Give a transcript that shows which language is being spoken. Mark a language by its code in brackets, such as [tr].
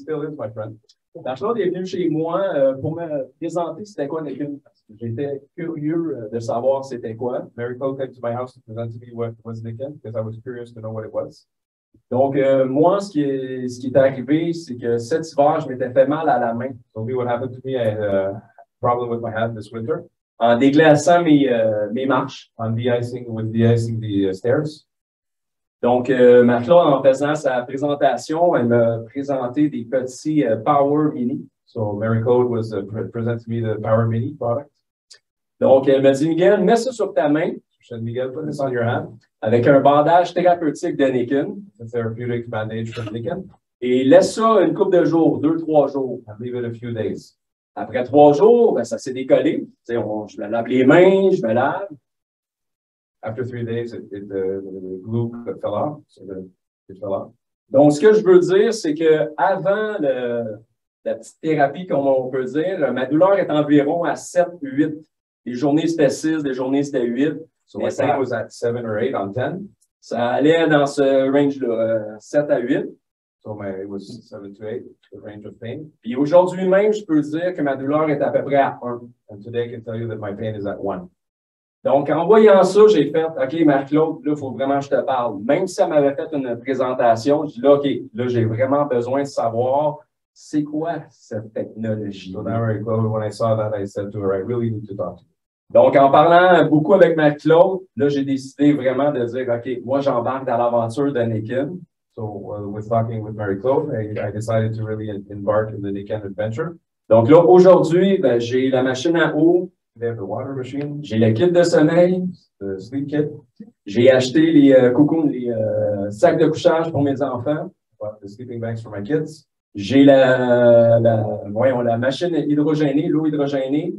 [fr] Marc-Claude est venu chez moi pour me présenter c'était quoi l'équipe. J'étais curieux de savoir c'était quoi. [en] Mary Cole came to my house to present to me what was Nikin, because I was curious to know what it was. [fr] Donc, moi, ce qui est arrivé, c'est que cet hiver, je m'étais fait mal à la main. [en] So, what happened to me, I had a problem with my hand this winter. [fr] En déglaçant mes marches. [en] On de-icing, with de-icing the stairs. [fr] Donc, Marc-Claude, en faisant sa présentation, elle m'a présenté des petits Power Mini. [en] So Mary Code was presenting me the Power Mini product. [fr] Donc elle m'a dit Miguel, mets ça sur ta main. [en] She said, Miguel, put this on your hand. [fr] Avec un bandage thérapeutique de Nikin. [en] A therapeutic bandage from Nikin. [fr] Et laisse ça une couple de jours, deux trois jours. [en] I leave it a few days. [fr] Après trois jours, ben, ça s'est décollé. T'sais, je me lave les mains, je me lave. [en] After three days, the glue fell off. So it fell off. [fr] Donc ce que je veux dire, c'est que avant la petite thérapie, comme on peut dire. Ma douleur est environ à 7-8. Les journées, c'était 6, les journées, c'était 8. [en] So, my pain was at 7 or 8 on 10. [fr] Ça allait dans ce range-là, 7 à 8. [en] So my, it was 7 to 8, the range of pain. [fr] Puis aujourd'hui même, je peux dire que ma douleur est à peu près à 1. [en] And today I can tell you that my pain is at 1. [fr] Donc, en voyant ça, j'ai fait, OK, Marc-Claude, là, il faut vraiment que je te parle. Même si ça m'avait fait une présentation, je dis là, OK, là, j'ai vraiment besoin de savoir c'est quoi cette technologie. [en] So now, Marc-Claude, when I saw that, I said to her, I really need to talk to you. [fr] Donc, en parlant beaucoup avec Marc-Claude, là, j'ai décidé vraiment de dire, OK, moi, j'embarque dans l'aventure de Nikin. [en] So, with talking with Marc-Claude, I decided to really embark in the Nikin adventure. [fr] Donc là, aujourd'hui, ben, j'ai la machine à eau. [en] They have the water machine. [fr] J'ai le kit de sommeil. [en] The sleep kit. [fr] J'ai acheté les cocoons, les sacs de couchage pour mes enfants. [en] Bought the sleeping bags for my kids. [fr] J'ai la machine hydrogénée, l'eau hydrogénée.